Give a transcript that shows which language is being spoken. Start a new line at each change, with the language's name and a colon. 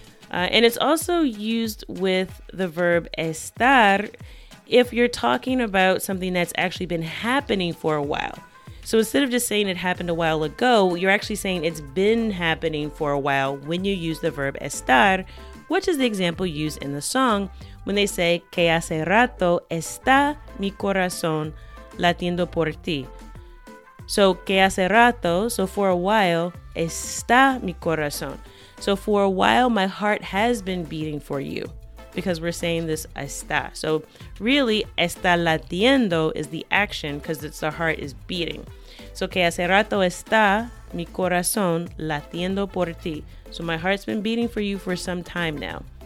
English: And it's also used with the verb estar if you're talking about something that's actually been happening for a while. So instead of just saying it happened a while ago, you're actually saying it's been happening for a while when you use the verb estar, which is the example used in the song when they say,
Spanish: que hace rato está mi corazón latiendo por ti.
English: So
Spanish: que hace rato,
English: so for a while,
Spanish: está mi corazón.
English: So for a while, my heart has been beating for you, because we're saying this está. So really,
Spanish: está latiendo
English: is the action because it's the heart is beating.
Spanish: So que hace rato está mi corazón latiendo por ti.
English: So my heart's been beating for you for some time now.